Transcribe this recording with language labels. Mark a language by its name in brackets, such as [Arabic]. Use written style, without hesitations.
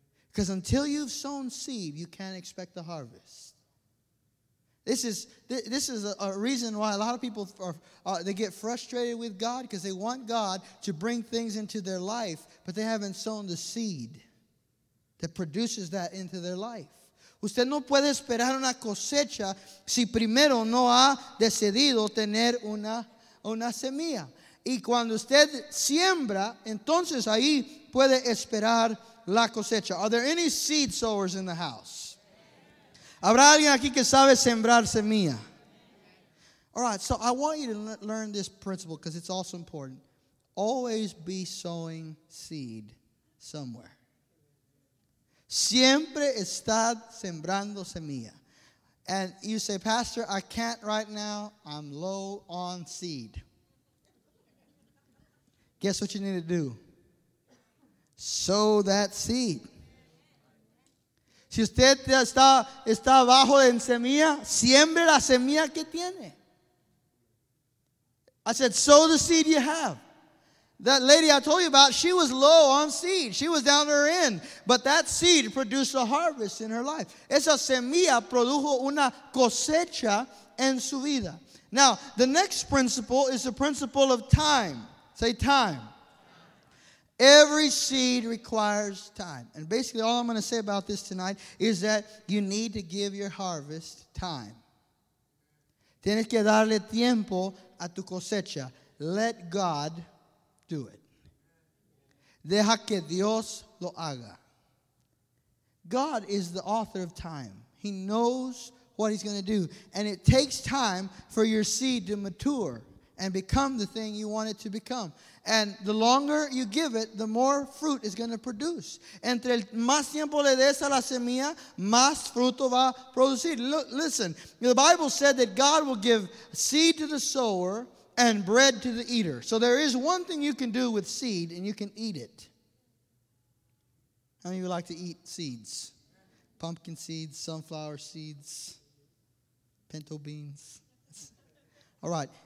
[English] Because until you've sown seed, you can't expect the harvest. This is a reason why a lot of people, they get frustrated with God, because they want God to bring things into their life, but they haven't sown the seed that produces that into their life. [Spanish] Usted no puede esperar una cosecha si primero no ha decidido tener una semilla. Y cuando usted siembra, entonces ahí puede esperar la cosecha. [English] Are there any seed sowers in the house? [Spanish] ¿Habrá alguien aquí que sabe sembrar semilla? [English] All right, so I want you to learn this principle because it's also important. Always be sowing seed somewhere. [Spanish] Siempre está sembrando semilla. [English] And you say, Pastor, I can't right now. I'm low on seed. Guess what you need to do? Sow that seed. [Spanish] Si usted está bajo en semilla, siembre la semilla que tiene. [English] I said, sow the seed you have. That lady I told you about, she was low on seed. She was down to her end. But that seed produced a harvest in her life. [Spanish] Esa semilla produjo una cosecha en su vida. [English] Now, the next principle is the principle of time. Say time. Every seed requires time. And basically all I'm going to say about this tonight is that you need to give your harvest time. [Spanish] Tienes que darle tiempo a tu cosecha. [English] Let God do it. [Spanish] Deja que Dios lo haga. [English] God is the author of time. He knows what He's going to do. And it takes time for your seed to mature and become the thing you want it to become. And the longer you give it, the more fruit it's going to produce. [Spanish] Entre más tiempo le des a la semilla, más fruto va a producir. [English] Listen, the Bible said that God will give seed to the sower and bread to the eater. So there is one thing you can do with seed, and you can eat it. How many of you like to eat seeds? Pumpkin seeds, sunflower seeds, pinto beans. All right.